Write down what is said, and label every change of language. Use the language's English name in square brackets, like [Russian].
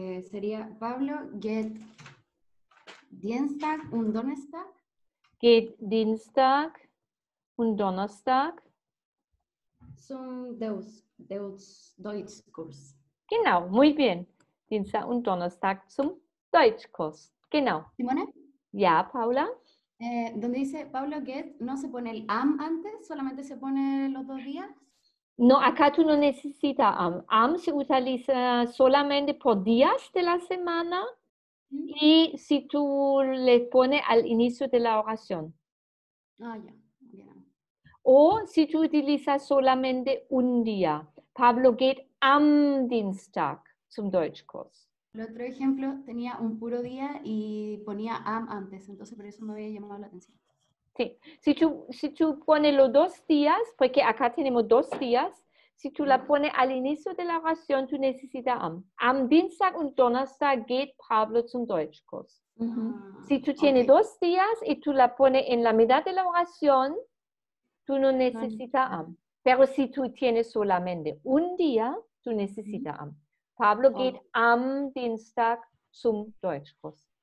[Spanish] Sería [German] Pablo geht Dienstag und Donnerstag. Geht Dienstag und Donnerstag zum Deutschkurs. Genau, [Spanish] muy bien. [German] Dienstag und Donnerstag zum Deutschkurs. Genau. Simone? [Spanish] Ya, Paula. Donde dice Pablo Get, ¿no se pone el am antes? ¿Solamente se pone los 2 días? No, acá tú no necesitas am. Am se utiliza solamente por días de la semana Y si tú le pones al inicio de la oración. Ah, ya. Bien. O si tú utilizas solamente un día. [German] Pablo geht am Dienstag zum Deutschkurs. [Spanish] El otro ejemplo tenía un puro día y ponía am antes, entonces por eso me había llamado la atención. Sí, si tú pones los dos días, porque acá tenemos dos días, si tú la pones al inicio de la oración, tú necesitas am. [German] Am Dienstag und Donnerstag geht Pablo zum Deutschkurs. [Spanish] Uh-huh. Si tú tienes okay. dos días y tú la pones en la mitad de la oración, tú no necesitas am. Pero si tú tienes solamente un día, tú necesitas am. [German] Pablo oh. geht am Dienstag zum Deutschkurs.